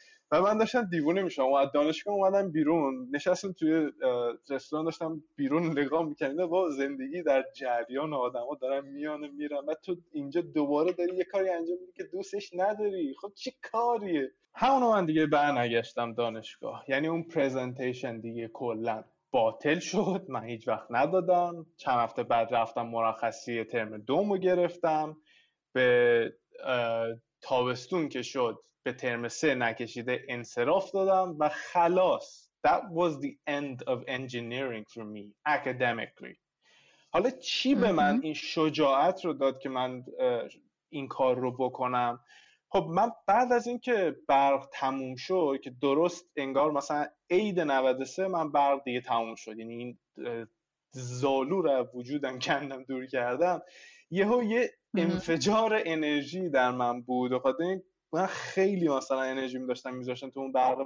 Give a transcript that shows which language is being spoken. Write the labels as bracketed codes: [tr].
[fa] و من داشتم دیوونه میشم و از دانشگاه اومدم بیرون، نشستم توی رستوران داشتم بیرون لگام میکنیم، با زندگی در جریان آدم ها دارم میان و میرم و تو اینجا دوباره داری یه کاری انجام میدی که دوستش نداری، خب چی کاریه؟ همونو من دیگه برنگشتم دانشگاه، یعنی اون پریزنتیشن دیگه کلن باطل شد، من هیچ وقت ندادم. چند هفته بعد رفتم مرخصی ترم دومو گرفتم، به تابستون که شد به ترم سه نکشیده انصراف دادم و خلاص. [en] That was the end of engineering for me academically. [fa] حالا چی به من این شجاعت رو داد که من این کار رو بکنم؟ خب من بعد از اینکه برق تموم شد، که درست انگار مثلا عید 93 من برق دیگه تموم شد، یعنی این زالو رو وجودم کندم دور کردم، یهو یه انفجار انرژی در من بود و خاطر این من خیلی مثلا انرژی میداشتم میذاشتم تو اون برق.